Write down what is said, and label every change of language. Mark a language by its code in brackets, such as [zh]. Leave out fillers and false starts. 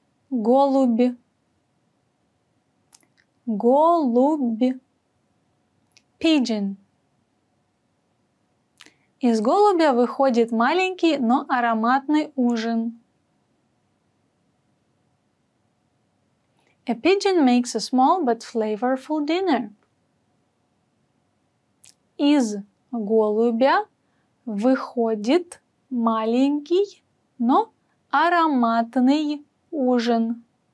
[ru] Голубь. Голубь. [en] Pigeon. [ru] Из голубя выходит маленький, но ароматный ужин. [en] A pigeon makes a small but flavorful dinner. [ru] Из голубя выходит маленький, но ароматный ужин.